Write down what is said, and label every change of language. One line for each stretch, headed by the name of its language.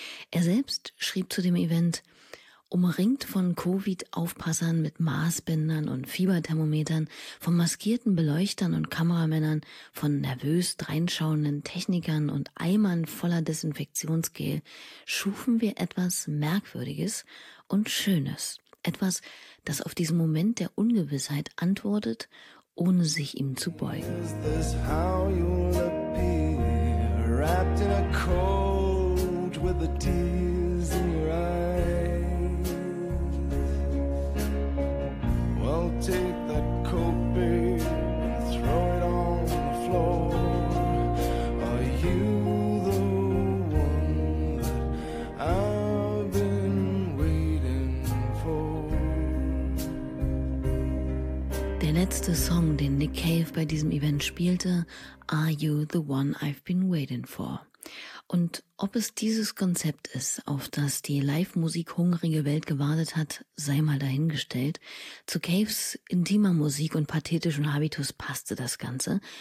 German: Er selbst schrieb zu dem Event: Umringt von Covid-Aufpassern mit Maßbändern und Fieberthermometern, von maskierten Beleuchtern und Kameramännern, von nervös dreinschauenden Technikern und Eimern voller Desinfektionsgel, schufen wir etwas Merkwürdiges und Schönes. Etwas, das auf diesen Moment der Ungewissheit antwortet, ohne sich ihm zu beugen.
English: Is this how you'll appear, wrapped in a coat with the tears in your eyes? Take that coat, babe, and throw it on the floor. Are you the one that I've been waiting for?
German: Der letzte Song, den Nick Cave bei diesem Event spielte, Are You the One I've Been Waiting For? Und ob es dieses Konzept ist, auf das die Live-Musik-hungrige Welt gewartet hat, sei mal dahingestellt. Zu Caves intimer Musik und pathetischen Habitus passte das Ganze.